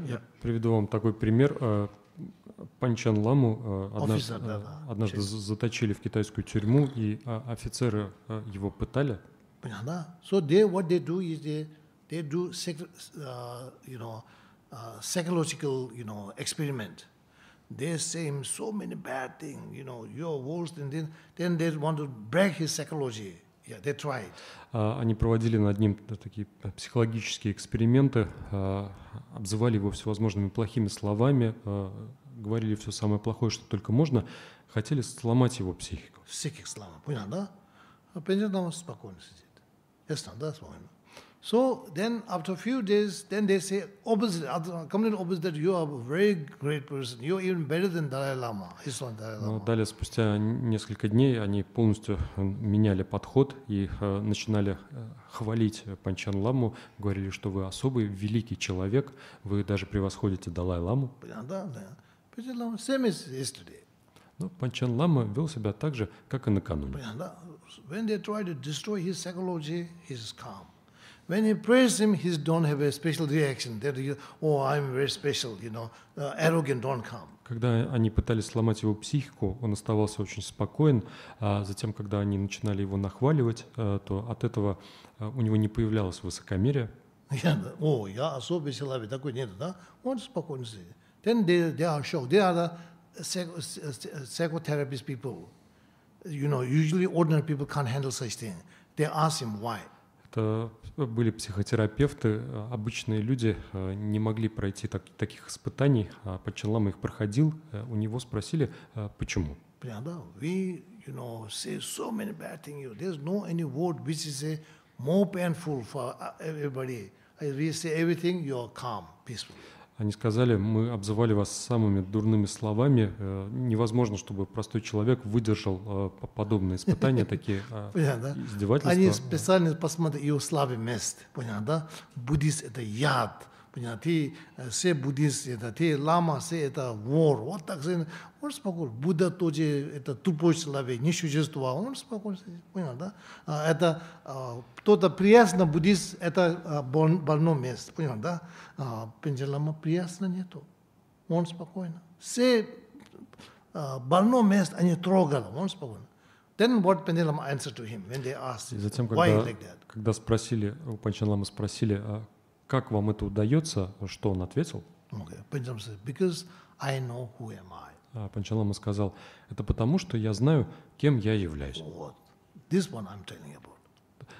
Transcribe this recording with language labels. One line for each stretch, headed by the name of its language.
Russian: Я приведу вам такой пример. Панчен Ламу однажды заточили в китайскую тюрьму, и офицеры его пытали. Понятно?
English: So they, what they do is they do psychological, you know, experiment. They say him so many bad things, you know, you're worse than this. Then they want to break his psychology. Yeah, they try it.
Russian: Они проводили над ним такие психологические эксперименты, обзывали его всевозможными плохими словами, говорили все самое плохое, что только можно, хотели сломать его психику. Всяких сломал, понял, да? А Пенчен Лама спокойно сидит. Ясно, да, спокойно.
English: So then after a few days, then they say opposite, completely opposite, that you are a very great person, you are even better than Dalai Lama.
Russian: Далее, спустя несколько дней, они полностью меняли подход и начинали хвалить Панчен Ламу, говорили, что вы особый, великий человек, вы даже превосходите Далай Ламу. Понял, да, да. Панчен Лама,
English: same as yesterday.
Russian: Но Панчен Лама вел себя так же, как и накануне.
English: When they try to destroy his psychology, he's calm. When he praise him, he don't have a special reaction. That he, oh, I'm very special, you know, arrogant don't come.
Russian: Когда они пытались сломать его психику, он оставался очень спокоен. Затем, когда они начинали его нахваливать, то от этого у него не появлялось высокомерие. Yeah, oh, я особый человек, такой нет, да? Он спокойно сидит.
English: Then they are shocked. They are the psychotherapist people. You know, usually ordinary people can't handle such thing. They ask him why.
Russian: Это были психотерапевты. Обычные люди не могли пройти таких испытаний. А Панчен Лама их проходил. У него спросили, почему. Понятно, да? We, you know, say so many bad things. There's no any word which is more painful for everybody. We say everything, you're calm, peaceful. Они сказали, мы обзывали вас самыми дурными словами. Невозможно, чтобы простой человек выдержал подобные испытания, такие издевательства. Они специально посмотрели его слабое место. Понял, да? Буддист – это яд. Понял, ты все буддисты, это ты лама, все это вор. Вот так же. Он спокойно. Будда тоже – это тупой человек, не существовал. Он спокойно. Понял, да? Это кто-то приятно, буддист – это больное место. Понял, да? Панчен Лама приятно нету. Он спокойно. Все больное место они трогали. Он спокойно.
English: Then what Panchen Lama answered to him when they asked,
Russian: затем,
English: why he like that?
Russian: Когда спросили, у Панчен Лама спросили, как вам это удается, что он ответил?
English: Okay.
Russian: Панчен Лама сказал, это потому, что я знаю, кем я являюсь.
English: Вот. This one I'm telling about.